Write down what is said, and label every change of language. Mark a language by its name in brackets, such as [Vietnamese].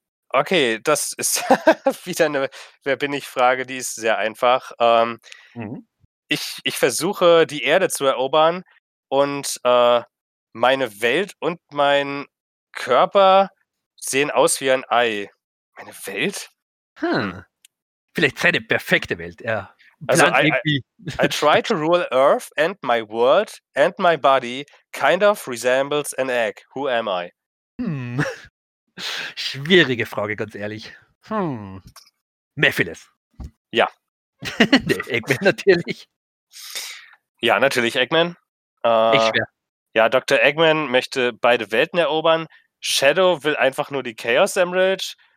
[German] Okay, das ist wieder eine Wer-bin-ich-Frage, die ist sehr einfach. Ich versuche, die Erde zu erobern und meine Welt und mein Körper sehen aus wie ein Ei. Meine Welt? Vielleicht seine perfekte Welt, ja. [English] Also, I try to rule Earth and my world and my body kind of resembles an egg. Who am I? [German] Schwierige Frage, ganz ehrlich. Mephiles. Ja. Nee, Eggman natürlich. Ja, natürlich Eggman. Echt schwer. Ja, Dr. Eggman möchte beide Welten erobern. Shadow will einfach nur die Chaos Emeralds.